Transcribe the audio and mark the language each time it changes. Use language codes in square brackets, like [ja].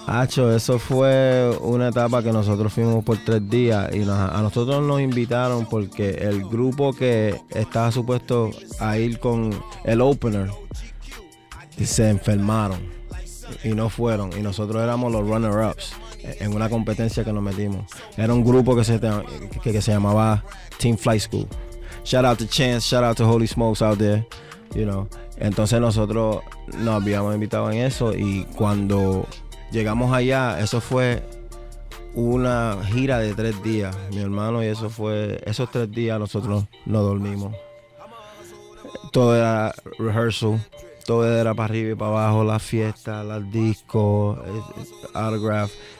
[es] Hacho, eso fue una etapa que nosotros fuimos por 3 días y a nosotros nos invitaron porque el grupo que estaba supuesto a ir con el opener se enfermaron y no fueron. Y nosotros éramos los runner-ups en una competencia que nos metimos. Era un grupo que se llamaba Team Flight School. [en] Shout out to Chance, shout out to Holy Smokes out there, you know. [es] Entonces nosotros nos habíamos invitado en eso y cuando llegamos allá, eso fue una gira de 3 días, mi hermano, y esos 3 días nosotros no dormimos. Todo era rehearsal, todo era para arriba y para abajo, las fiestas, los discos, autograph.